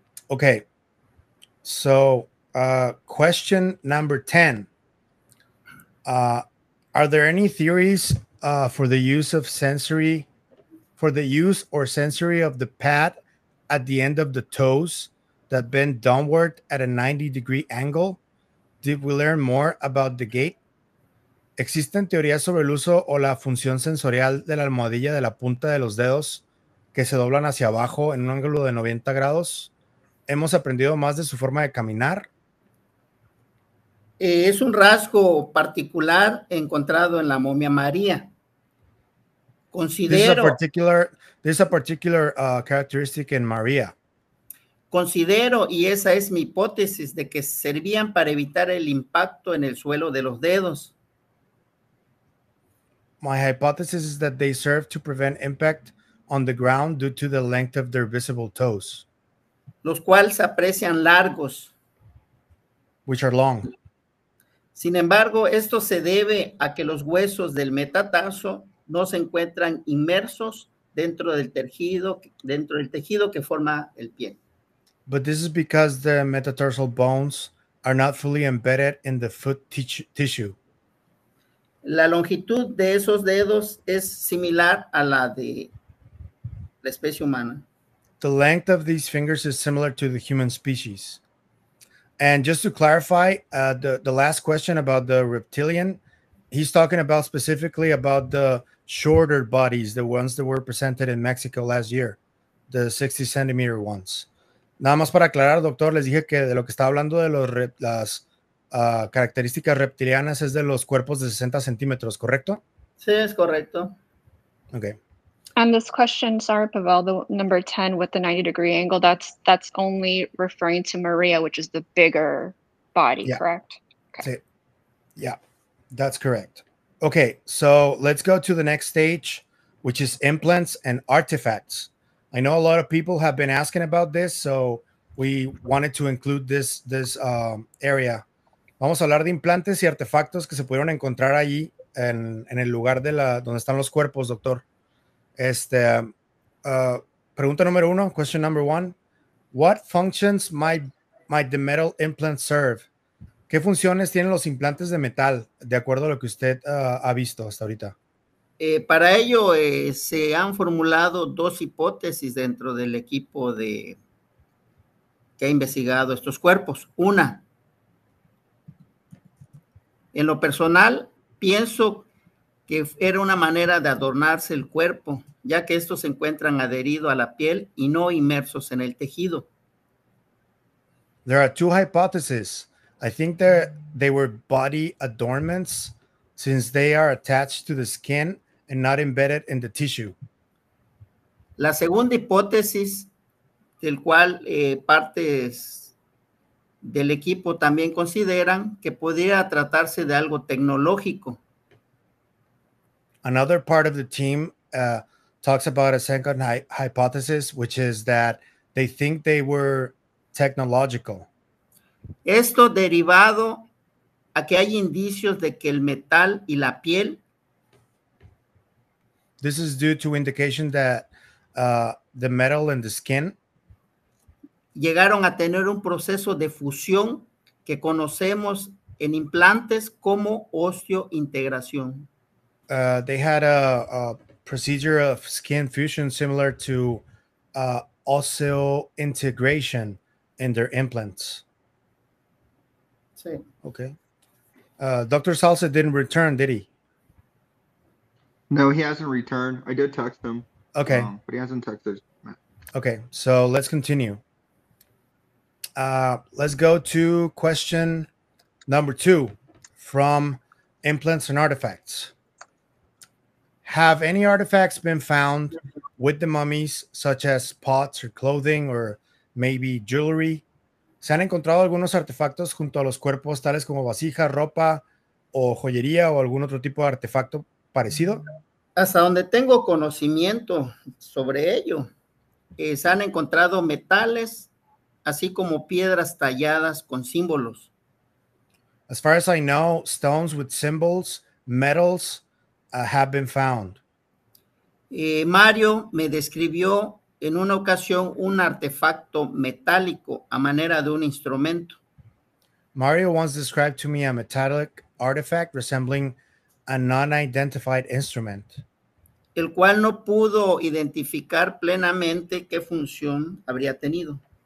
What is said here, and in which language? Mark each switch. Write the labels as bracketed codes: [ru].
[en] Okay, so question number 10. Are there any theories for the use or sensory of the pad at the end of the toes that bend downward at a 90 degree angle? Did we learn more about the gait? [es] ¿Existen teorías sobre el uso o la función sensorial de la almohadilla de la punta de los dedos que se doblan hacia abajo en un ángulo de 90 grados? ¿Hemos aprendido más de su forma de caminar? Es un rasgo particular encontrado en la momia María. Considero. [en] This is a particular characteristic in María. [es] Considero, y esa es mi hipótesis, de que servían para evitar el impacto en el suelo de los dedos. [en] My hypothesis is that they serve to prevent impact on the ground due to the length of their visible toes. [es] Los cuales aprecian largos. [en] Which are long. [es] Sin embargo, esto se debe a que los huesos del metatarso no se encuentran inmersos dentro del tejido que forma el pie. [en] But this is because the metatarsal bones are not fully embedded in the foot tissue. [es] La longitud de esos dedos es similar a la de la especie humana. [en] The length of these fingers is similar to the human species. And just to clarify, the last question about the reptilian, he's talking about specifically about the shorter bodies, the ones that were presented in Mexico last year, the 60 centimeter ones. [es] Nada más para aclarar, doctor, les dije que de lo que estaba hablando de las características reptilianas es de los cuerpos de 60 centímetros, ¿correcto? Sí, es correcto. [en] Okay. And this question, sorry, Pavel, the number 10 with the 90 degree angle, that's only referring to María, which is the bigger body, yeah. Correct? Okay. [es] Sí. [en] Yeah, that's correct. Okay, so let's go to the next stage, which is implants and artifacts. I know a lot of people have been asking about this, so we wanted to include this area. [es] Vamos a hablar de implantes y artefactos que se pudieron encontrar allí en el lugar de la donde están los cuerpos, doctor. Pregunta número uno, [en] question number one. What functions might the metal implant serve? [es] ¿Qué funciones tienen los implantes de metal, de acuerdo a lo que usted ha visto hasta ahorita? Para ello se han formulado dos hipótesis dentro del equipo que ha investigado estos cuerpos. Una, en lo personal, pienso que era una manera de adornarse el cuerpo, ya que estos se encuentran adheridos a la piel y no inmersos en el tejido. [en] There are two hypotheses. I think that they were body adornments, since they are attached to the skin and not embedded in the tissue. [es] La segunda hipótesis, del cual partes del equipo también consideran, que podría tratarse de algo tecnológico. [en] Another part of the team talks about a second hypothesis, which is that they think they were technological. [es] Esto derivado a que hay indicios de que el metal y la piel. [en] This is due to indication that the metal and the skin [es] llegaron a tener un proceso de fusión que conocemos en implantes como osteointegración. [en] They had a procedure of skin fusion similar to osseointegration in their implants. [es] Sí. [en] Okay. Dr. Salsa didn't return, did he? No, he hasn't returned. I did text him. Okay. But he hasn't texted. Okay, so let's continue. Let's go to question number two from implants and artifacts. Have any artifacts been found with the mummies, such as pots or clothing or maybe jewelry? [es] ¿Se han encontrado algunos artefactos junto a los cuerpos, tales como vasija, ropa o joyería o algún otro tipo de artefacto parecido? Hasta donde tengo conocimiento sobre ello, se han encontrado metales, así como piedras talladas con símbolos. [en] As far as I know, stones with symbols, metals, have been found. [es] Mario me describió en una ocasión un artefacto metálico a manera de un instrumento. [en] Mario once described to me a metallic artifact resembling a non-identified instrument. [es] El cual no pudo identificar plenamente qué función habría tenido.